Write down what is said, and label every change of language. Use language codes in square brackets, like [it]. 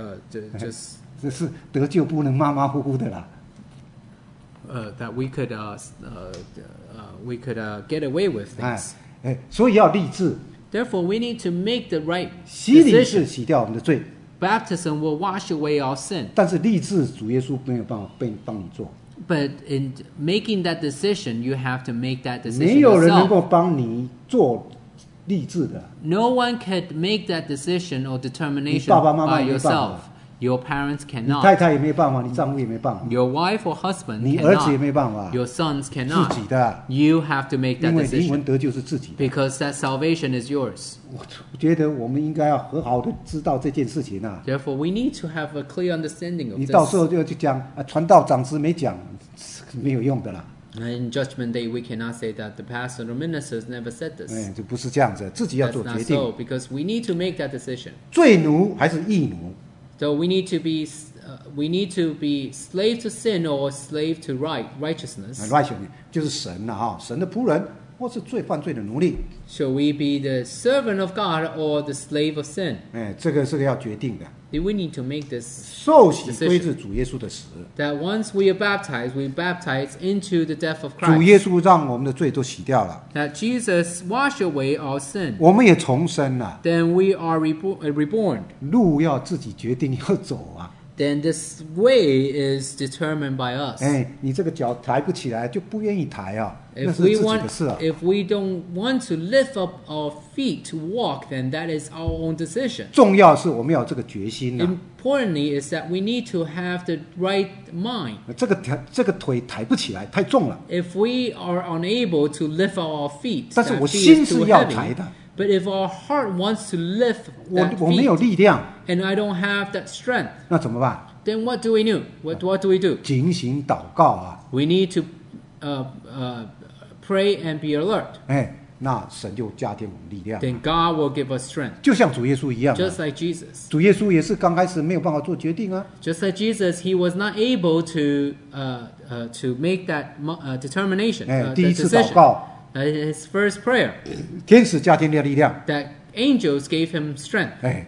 [en] This is [zh] 得救不能马马虎虎的啦。 [en] That we could get away with things. [zh] 所以要立志。 [en] Therefore, we need to make the right decision. Baptism will wash away our sin. [zh] 但是立志，主耶稣没有办法帮你做。 [en] But in making that decision, you have to make that decision. [zh] 没有人能够帮你做立志的。 [en] No one could make that decision or determination by yourself. Your parents cannot. [zh] 你太太也没办法，你丈夫也没办法。 [en] Your wife or husband. [zh] 你儿子也没办法。 [en] Your sons cannot. [zh] 自己的。 [en] You have to make that decision. [zh] 因为灵魂得救是自己的。 [en] Because that salvation is yours. [zh] 我觉得我们应该要很好的知道这件事情啊。 [en] Therefore, we need to have a clear understanding of this. [zh] 你到时候就讲啊，传道长子没讲，没有用的啦。 [en] In Judgment Day, we cannot say that the pastor or ministers never said this. [zh] 就不是这样子，自己要做决定。 [en] So, because we need to make that decision. [zh] 罪奴还是义奴？ [en] So we need to be slave to sin or slave to righteousness. [zh] Righteousness 就是神了、啊、哈，神的仆人或是罪犯罪的奴隶。 [en] Shall we be the servant of God or the slave of sin? [zh] 这个是要决定的。 [en] Do we need to make this decision? [zh] 受洗归至主耶稣的死。 [en] That once we are baptized, we baptize into the death of Christ. [zh] 主耶稣让我们的罪都洗掉了。 [en] That Jesus washed away our sin. [zh] 我们也重生了。 [en] Then we are reborn. [zh] 路要自己决定要走啊。 [en] Then this way is determined by us. [zh] 你这个脚抬不起来就不愿意抬啊。 [en] If we don't want to lift up our feet to walk, then that is our own decision. [zh] 重要是我们要有这个决心、啊、 [en] Importantly is that we need to have the right mind. [zh] 这个腿抬不起来，太重了。 [en] If we are unable to lift up our feet, [zh] 但是我心是要抬的。 [en] But if our heart wants to lift that feet, [zh] 我没有力量。 [en] And I don't have that strength. [zh] 那怎么办？ [en] Then what do we do? What do we do? [zh] 警醒祷告啊。 [en] We need to pray and be alert. [zh] 那神就加添我们力量。 [en] Then God will give us strength. [zh] 就像主耶稣一样。 [en] Just like Jesus. [zh] 主耶稣也是刚开始没有办法做决定啊。 [en] Just like Jesus, he was not able to make that determination. [zh] 第一次祷告。 [en] His first prayer. [zh] 天使加添的力量。 [en] That angels gave him strength.